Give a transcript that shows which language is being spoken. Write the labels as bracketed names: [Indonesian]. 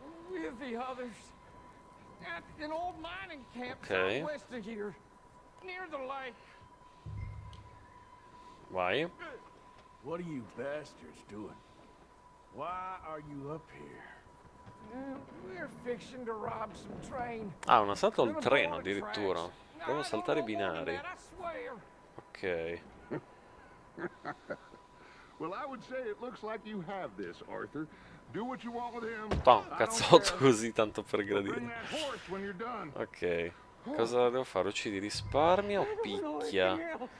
[English] With the others at an old mining camp west of here, near the lake. Why? What are you bastards doing? Why are you up here? We're fixing to rob some train. [Italian] Ah, un assalto al treno addirittura. Devo saltare i binari. Ok. [English] Well, I would say it looks like you have this, Arthur. Do what you want with him. [Italian] Tom, cazzotto così tanto per gradino. Ok. Cosa devo fare? Uccidi, risparmia o picchia?